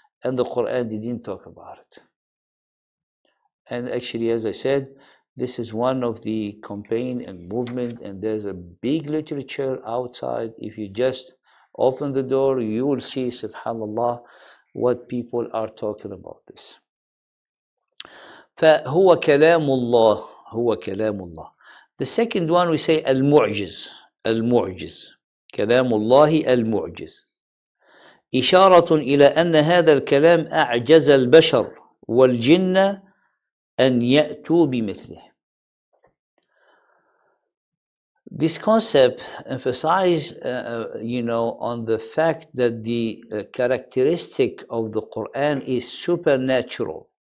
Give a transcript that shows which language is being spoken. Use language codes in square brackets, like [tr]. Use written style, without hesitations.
[en] And the Quran didn't talk about it. And actually, as I said, this is one of the campaign and movement, and there's a big literature outside. If you just open the door, you will see, subhanAllah, what people are talking about this. [ar] فهو كلام الله هو كلام الله. [en] The second one we say [ar] المعجز المعجز كلام الله المعجز. إشارة إلى أن هذا الكلام أعجز البشر والجن أن يأتوا بمثله. [en] This concept emphasizes, you know, on the fact that the characteristic of the Quran is supernatural.